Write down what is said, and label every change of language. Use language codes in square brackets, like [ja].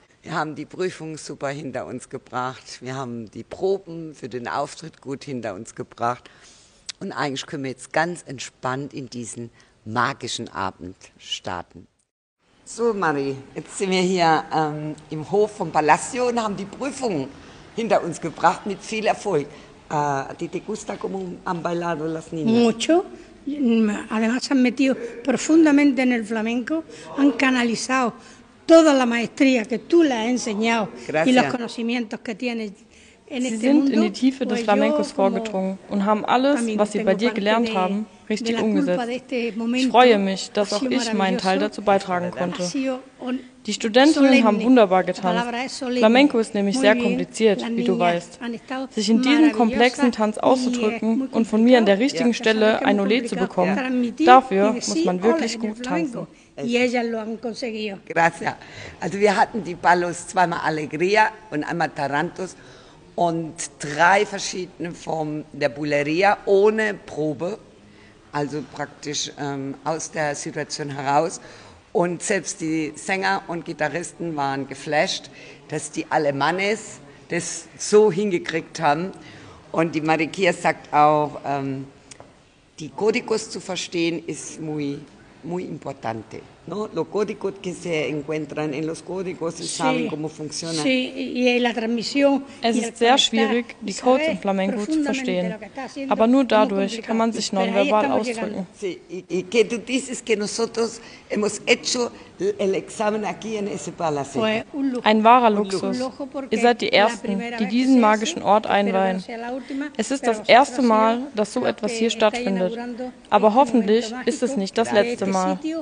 [de] Wir haben die Prüfung super hinter uns gebracht. Wir haben die Proben für den Auftritt gut hinter uns gebracht. Und eigentlich können wir jetzt ganz entspannt in diesen magischen Abend starten. So, Marie, jetzt sind wir hier im Hof vom Palacio und haben die Prüfung hinter uns gebracht mit viel Erfolg. [es] ¿Te gusta cómo han bailado las niñas? Mucho. Además, se han metido profundamente en el flamenco. Han canalizado toda la maestría que tú les has enseñado. Gracias. Y los conocimientos que tienes. [de] Sie sind in die Tiefe des Flamencos vorgedrungen und haben alles, was sie bei dir gelernt haben, richtig umgesetzt. Ich freue mich, dass auch ich meinen Teil dazu beitragen konnte. Die Studentinnen haben wunderbar getanzt. Flamenco ist nämlich sehr kompliziert, wie du weißt. Sich in diesem komplexen Tanz auszudrücken und von mir an der richtigen Stelle ein Olé zu bekommen, dafür muss man wirklich gut tanzen. [es] Y ellas lo han conseguido. Gracias. [de] Also wir hatten die Palos zweimal Alegría und einmal Tarantos. Und drei verschiedene Formen der Bulleria ohne Probe, also praktisch aus der Situation heraus. Und selbst die Sänger und Gitarristen waren geflasht, dass die Alemannes das so hingekriegt haben. Und die Mariquilla sagt auch, die códigos zu verstehen ist [es] muy, muy importante. No, los códigos que se encuentran en los códigos y saben cómo funciona. Sí, y la transmisión. [de] Es ist sehr schwierig, die Codes im Flamenco zu verstehen. Aber nur dadurch kann man sich nonverbal ausdrücken. [es] Sí, y que tú dices que nosotros hemos hecho el examen aquí en ese palacio. [de] Ein wahrer Luxus. Ihr seid die Ersten, die diesen magischen Ort einweihen. Es ist das erste Mal, dass so etwas hier stattfindet. Aber hoffentlich ist es nicht das letzte Mal.